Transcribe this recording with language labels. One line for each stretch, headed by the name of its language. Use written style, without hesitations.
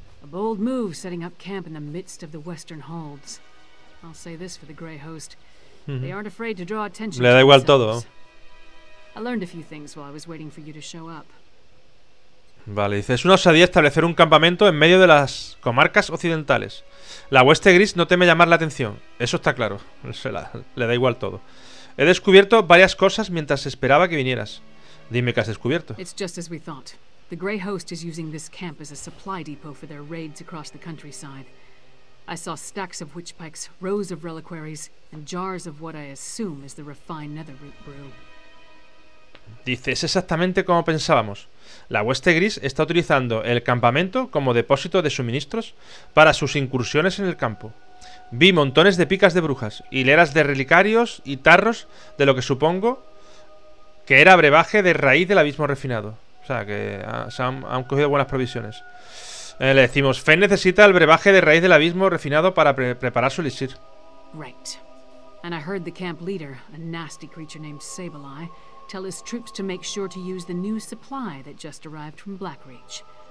English: A bold move setting up camp in the midst of the Western Halls. I'll say this for the Grey Host. They aren't afraid to draw attention.
Spanish: Le da igual todo.
English: I learned a few things while I was waiting for you to show up.
Spanish: Vale, dice, es una osadía establecer un campamento en medio de las comarcas occidentales. La hueste gris no teme llamar la atención. Eso está claro. Le da igual todo. He descubierto varias cosas mientras esperaba que vinieras. Dime qué has descubierto.
English: It's just as we thought. The Grey Host is using this camp as a supply depot for their raids across the countryside. I saw stacks of witch pikes, rows of reliquaries, and jars of what I assume is the refined netherroot brew.
Spanish: Dice, es exactamente como pensábamos. La hueste gris está utilizando el campamento como depósito de suministros para sus incursiones en el campo. Vi montones de picas de brujas, hileras de relicarios y tarros de lo que supongo que era brebaje de raíz del abismo refinado. O sea, que se han cogido buenas provisiones. Le decimos, Fen necesita el brebaje de raíz del abismo refinado para preparar su elixir.
English: Right. And I heard the camp leader, a nasty creature named Sableye, tell his troops to make sure to use the new supply that just arrived from Blackreach.